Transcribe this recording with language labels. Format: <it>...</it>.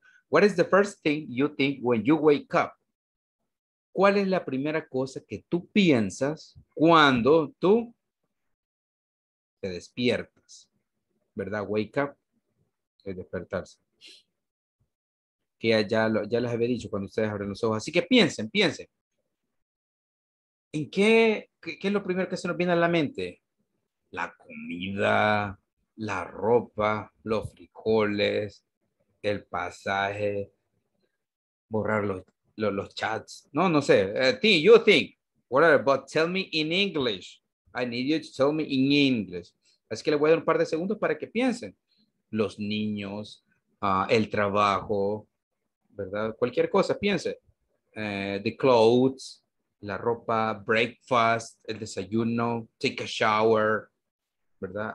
<en>What is the first thing you think when you wake up?</en> <es>¿Cuál es la primera cosa que tú piensas cuando tú te despiertas? ¿Verdad? Wake up es despertarse. Que ya les había dicho cuando ustedes abren los ojos. Así que piensen. ¿En qué es lo primero que se nos viene a la mente? La comida, la ropa, los frijoles, el pasaje, borrar los chats. No sé.</es> <en>You think. Whatever, but tell me in English. I need you to tell me in English.</en> <es>Así que le voy a dar un par de segundos para que piensen. Los niños, el trabajo, ¿verdad? Cualquier cosa, piense.</es> <en>The clothes,</en> <es>la ropa, breakfast, el desayuno,</es> <en>take a shower,</en> <es>¿verdad?</es>